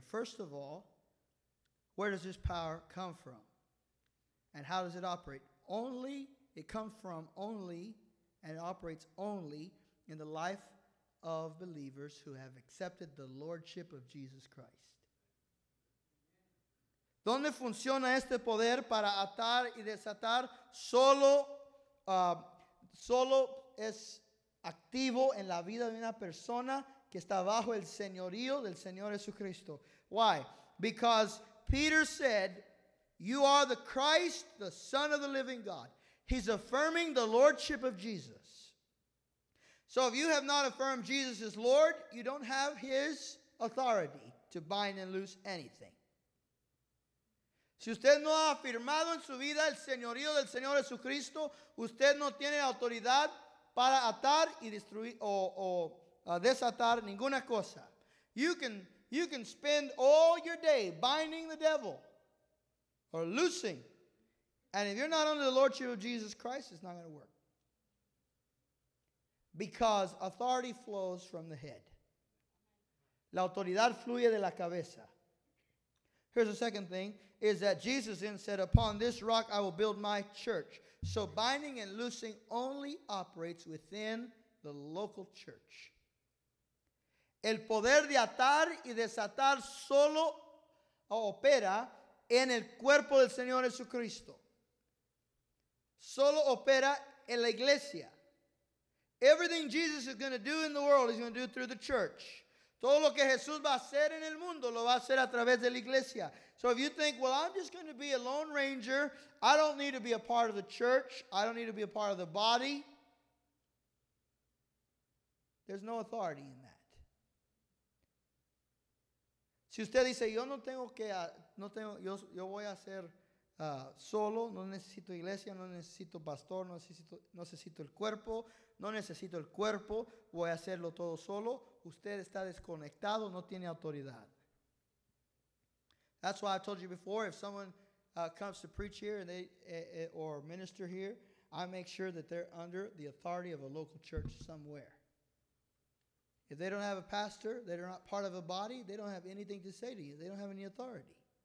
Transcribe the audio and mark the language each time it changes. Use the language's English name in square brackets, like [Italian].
[English] First of all, where does this power come from? And how does it operate? It operates only in the life of believers who have accepted the Lordship of Jesus Christ. [Spanish] ¿Dónde funciona este poder para atar y desatar? Solo es activo en la vida de una persona que está bajo el señorío del Señor Jesucristo. [English] Why? Because Peter said, you are the Christ, the Son of the living God. He's affirming the Lordship of Jesus. So if you have not affirmed Jesus as Lord, you don't have his authority to bind and loose anything. [Spanish] Si usted no ha afirmado en su vida el señorío del Señor Jesucristo, usted no tiene autoridad para atar y destruir o desatar ninguna cosa. [English] You can spend all your day binding the devil or loosing. And if you're not under the Lordship of Jesus Christ, it's not going to work. Because authority flows from the head. [Spanish] La autoridad fluye de la cabeza. [English] Here's the second thing, is that Jesus then said, upon this rock I will build my church. So binding and loosing only operates within the local church. [Spanish] El poder de atar y desatar solo opera en el cuerpo del Señor Jesucristo. Solo opera en la iglesia. [English] Everything Jesus is going to do in the world, he's going to do through the church. [Spanish] Todo lo que Jesús va a hacer en el mundo lo va a hacer a través de la iglesia. [English] So if you think, well, I'm just going to be a lone ranger. I don't need to be a part of the church. I don't need to be a part of the body. There's no authority in that. [Spanish] Si usted dice, yo no tengo que, no tengo, yo voy a ser solo. No necesito iglesia, no necesito pastor, no necesito el cuerpo. No necesito el cuerpo, voy a hacerlo todo solo. Usted está desconectado, no tiene autoridad. [English] That's why I told you before, if someone comes to preach here and or minister here, I make sure that they're under the authority of a local church somewhere. If they don't have a pastor, they're not part of a body, they don't have anything to say to you. They don't have any authority.